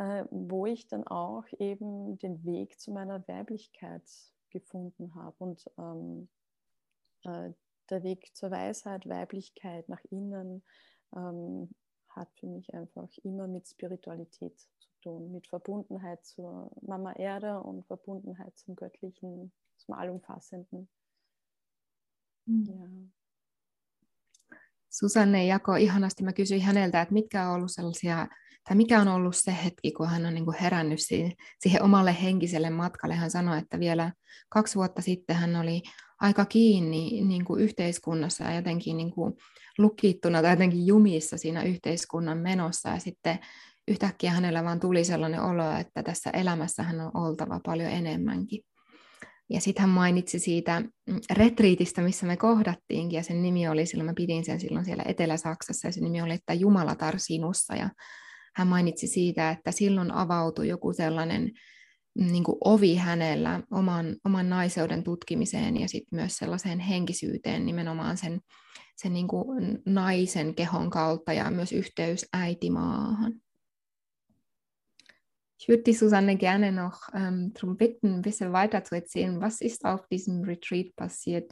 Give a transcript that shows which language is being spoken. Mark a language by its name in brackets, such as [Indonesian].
[German] wo ich dann auch eben den Weg zu meiner Weiblichkeit gefunden habe und der Weg zur Weisheit, Weiblichkeit nach innen hat für mich einfach immer mit Spiritualität zu tun, mit Verbundenheit zur Mama Erde und Verbundenheit zum Göttlichen, zum Allumfassenden. Mhm. Ja. [Finnish] Susanne jakoi ihanasti, mä kysyin häneltä, että mikä on ollut se hetki, kun hän on herännyt siihen omalle henkiselle matkalle. Hän sanoi, että vielä 2 vuotta sitten hän oli aika kiinni niin kuin yhteiskunnassa ja jotenkin niin kuin lukittuna tai jotenkin jumissa siinä yhteiskunnan menossa. Ja sitten yhtäkkiä hänellä vaan tuli sellainen olo, että tässä elämässä hän on oltava paljon enemmänkin. Ja sitten hän mainitsi siitä retriitistä, missä me kohdattiinkin, ja sen nimi oli silloin, mä pidin sen silloin siellä Etelä-Saksassa, ja sen nimi oli, että Jumalatar sinussa. Ja hän mainitsi siitä, että silloin avautui joku sellainen niin kuin ovi hänellä oman naiseuden tutkimiseen ja sitten myös sellaiseen henkisyyteen nimenomaan sen niin kuin naisen kehon kautta ja myös yhteys äitimaahan. [German] Ich würde die Susanne gerne noch darum bitten, ein bisschen weiter zu erzählen, was ist auf diesem Retreat passiert?